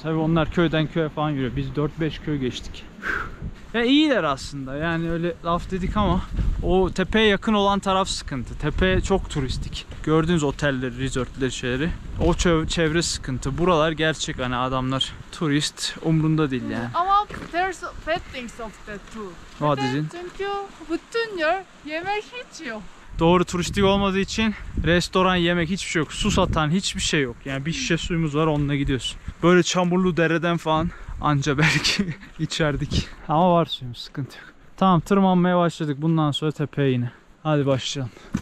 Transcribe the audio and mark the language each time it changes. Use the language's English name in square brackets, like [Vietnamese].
[Turkish] Tabii onlar köyden köye falan yürüyor. Biz 4-5 köy geçtik. Ya iyiler aslında. Yani öyle laf dedik ama o tepeye yakın olan taraf sıkıntı. Tepe çok turistik. Gördüğünüz otelleri, resortleri, şeyleri. O çevre sıkıntı. Buralar gerçek hani, adamlar turist umrunda değil yani. [English] Ama there's bad things of that too. What is it? [Turkish] Çünkü bütün yer yemek hiç yok. Doğru, turistik olmadığı için restoran, yemek hiçbir şey yok. Su satan hiçbir şey yok. Yani bir şişe suyumuz var, onunla gidiyorsun. Böyle çamurlu dereden falan anca belki içerdik. Ama var suyumuz, sıkıntı yok. Tamam, tırmanmaya başladık. Bundan sonra tepeye yine. Hadi başlayalım.